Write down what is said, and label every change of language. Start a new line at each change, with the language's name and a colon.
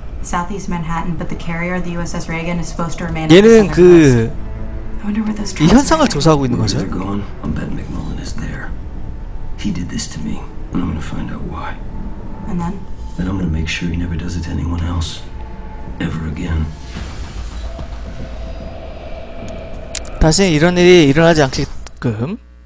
English: Southeast Manhattan, but the carrier, the USS Reagan, is supposed to remain.
Korean: 얘는 그 이 현상을 조사하고 있는 거죠?
English: Where they're gone, I'm betting McMullen is there. He did this to me, and I'm gonna find out why. And then? Then I'm gonna make sure he never does it to anyone else, ever again.
Korean: 다시 이런 일이 일어나지 않게끔.